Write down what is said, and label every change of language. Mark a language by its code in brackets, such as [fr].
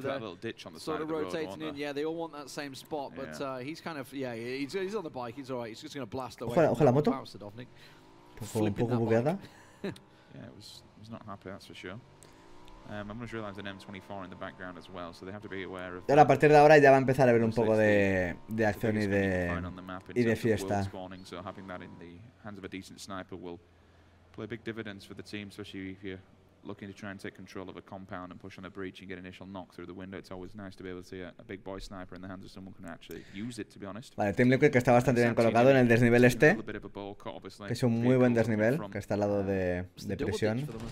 [en] that little ditch on the side of the road. Sort of rotating in. Yeah, they all want that same spot, but he's kind of he's on the bike. He's all right. He's just going to blast away. [es] Ojo la moto. [en] Flipping that bike. Yeah, it was not happy. That's for sure. I'm just realizing an M24 in the background as well, so they have to be aware of. [es] Ahora a partir de ahora ya va a empezar a haber un poco de acción y de fiesta. [en] So having that in the hands of a decent sniper will play big dividends for the team, especially if you're looking to try and take control of a compound and push on a breach and get initial knock through the window. It's always nice to be able to see a big boy sniper in the hands of someone who can actually use it, to be honest. [es] Vale, Team Liquid, que está bastante bien colocado en el desnivel este, que es un muy buen desnivel, que está al lado de prisión.